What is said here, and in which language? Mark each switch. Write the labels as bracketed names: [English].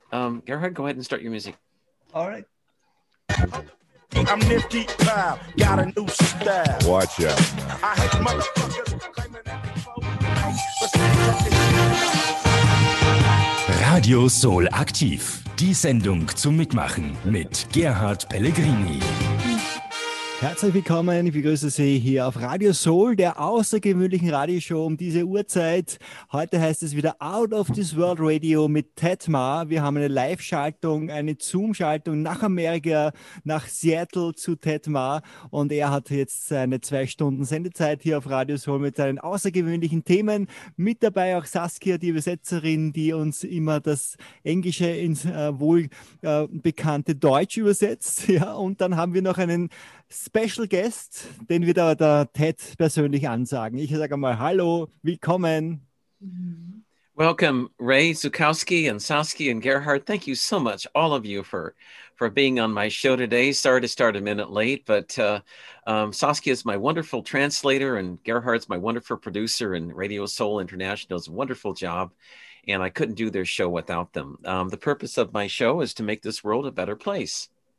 [English] Gerhard, go ahead and start your music. All right. I'm Nifty Five, got a new style. Watch out. Man. I hate motherfuckers claiming that. [German] Radio Soul Aktiv, die Sendung zum Mitmachen mit Gerhard Pellegrini. Herzlich willkommen, ich begrüße Sie hier auf Radio Soul, der außergewöhnlichen Radioshow um diese Uhrzeit. Heute heißt es wieder Out of This World Radio mit Ted Ma. Wir haben eine Live-Schaltung, eine Zoom-Schaltung nach Amerika, nach Seattle zu Ted Ma. Und er hat jetzt seine 2 Stunden Sendezeit hier auf Radio Soul mit seinen außergewöhnlichen Themen. Mit dabei auch Saskia, die Übersetzerin, die uns immer das Englische ins wohlbekannte Deutsch übersetzt. Ja, und dann haben wir noch einen Special Guest, den wird aber der Ted persönlich ansagen. Ich sage einmal Hallo, willkommen. [English] Welcome, Ray Zukowski and Saskia and Gerhard. Thank you so much, all of you, for being on my show today. Sorry to start a minute late, but Saskia is my wonderful translator and Gerhard's my wonderful producer and Radio Soul International's wonderful job. And I couldn't do their show without them. The purpose of my show is to make this world a better place.